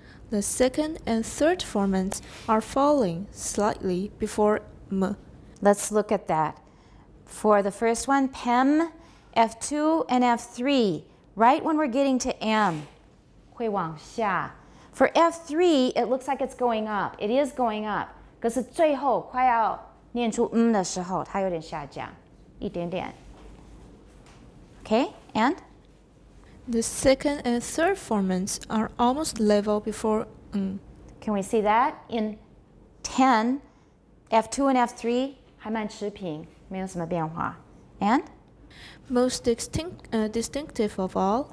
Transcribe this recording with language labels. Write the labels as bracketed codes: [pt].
[en] The second and third formants are falling slightly before m. Let's look at that. For the first one, pem, F2 and F3, right when we're getting to M, [zh] 会往下. [en] For F3, it looks like it's going up. It is going up. [zh] 可是最后快要念出嗯的时候，它有点下降，一点点。 [en] Okay, and? The second and third formants are almost level before ng. Can we see that? In 10, F2 and F3 [zh] 还蛮持平，没有什么变化。 [en] And? Most distinctive of all.